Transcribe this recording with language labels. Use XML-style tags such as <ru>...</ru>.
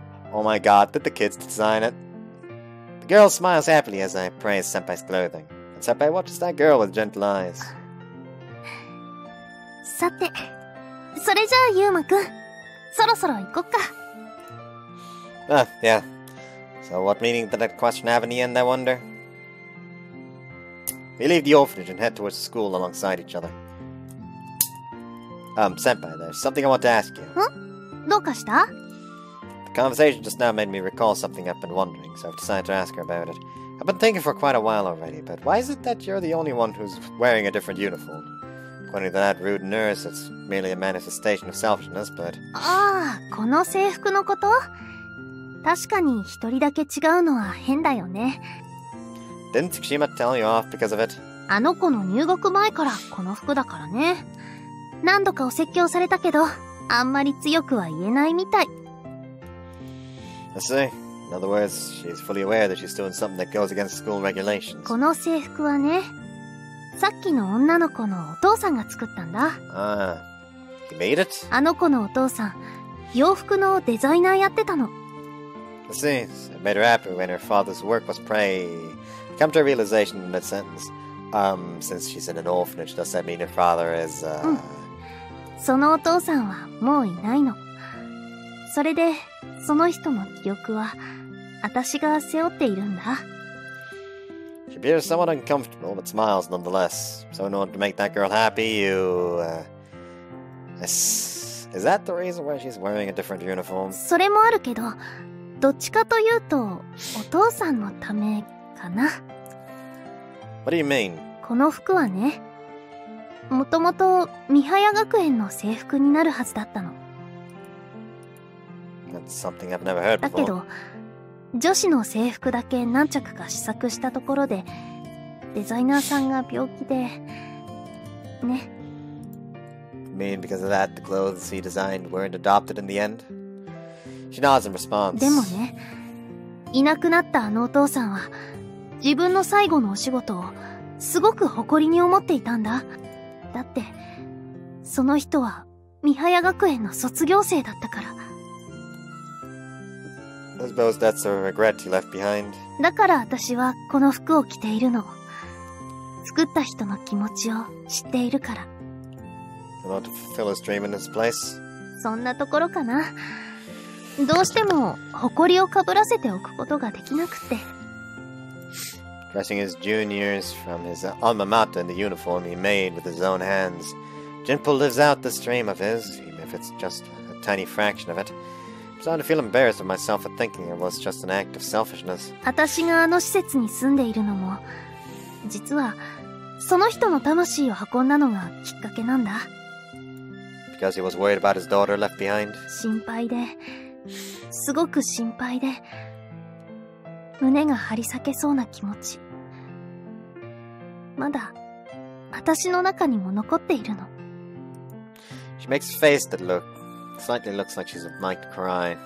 <en>Oh my god, did the kids design it? The girl smiles happily as I praise Senpai's clothing. And Senpai watches that girl with gentle eyes.</en> <ja>さて、それじゃあ、ユーマくん。そろそろ行こっか。</ja> <en>Yeah. So what meaning did that question have in the end, I wonder? We leave the orphanage and head towards the school alongside each other. Senpai, there's something I want to ask you.</en> <ja>どうかした?</ja> <en>The conversation just now made me recall something I've been wondering, so I've decided to ask her about it. I've been thinking for quite a while already, but why is it that you're the only one who's wearing a different uniform? According to that rude nurse, it's merely a manifestation of selfishness, but...</en> <ja>ああ、この制服のこと? 確かに一人だけ違うのは変だよね。</ja> <en>Didn't Tsukishima tell you off because of it?</en> <ja>あの子の入学前からこの服だからね。何度かお説教されたけど、あんまり強くは言えないみたい。</ja> <en>I see. In other words, she's fully aware that she's doing something that goes against school regulations.</en> <ja>この制服はね、さっきの女の子のお父さんが作ったんだ。</ja> <en>He made it?</en> <ja>あの子のお父さん、洋服のデザイナーやってたの。</ja> <en>I see. So it made her happy when her father's work was praised. Come to a realization in that sentence. Since she's in an orphanage, does that mean her father is,</en> <ja>そのお父さんはもういないの。それで、その人の記憶は私が背負っているんだ。</ja> <en>She appears somewhat uncomfortable, but smiles nonetheless. So in order to make that girl happy, you... Is that the reason why she's wearing a different uniform?</en> <ja>それもあるけど、どっちかというと、お父さんのためかな。</ja> <en>What do you mean?</en> <ja>この服はね、もともと、ミハヤ学園の制服になるはずだったの。</ja> <en>That's something I've never heard before.</en> <ja>だけど、女子の制服だけ何着か試作したところで、デザイナーさんが病気で、ね。</ja> <en>Mean because of that, the clothes he designed weren't adopted in the end? She nods in response.</en> <ja>でもね、いなくなったあのお父さんは、自分の最後のお仕事をすごく誇りに思っていたんだ。だって、その人は、ミハヤ学園の卒業生だったから。</ja> <en>I suppose that's a regret he left behind.</en> <ja>だから私はこの服を着ているの。作った人の気持ちを知っているから。</ja> <en>I want to fulfill his dream in this place.</en> <ja>そんなところかな。どうしても誇りをかぶらせておくことができなくて。</ja> <en>Dressing his juniors from his alma mater in the uniform he made with his own hands, Jinpo lives out this dream of his, even if it's just a tiny fraction of it. I'm starting to feel embarrassed of myself for thinking it was just an act of selfishness.</en> <ja>私があの施設に住んでいるのも、実はその人の魂を運んだのがきっかけなんだ。</ja> <en>Because he was worried about his daughter left behind.</en> <ja>心配で、すごく心配で、胸が張り裂けそうな気持ち。まだ、私の中にも残っているの。</ja> <en>She makes a face that slightly looks like she's about to cry.</en>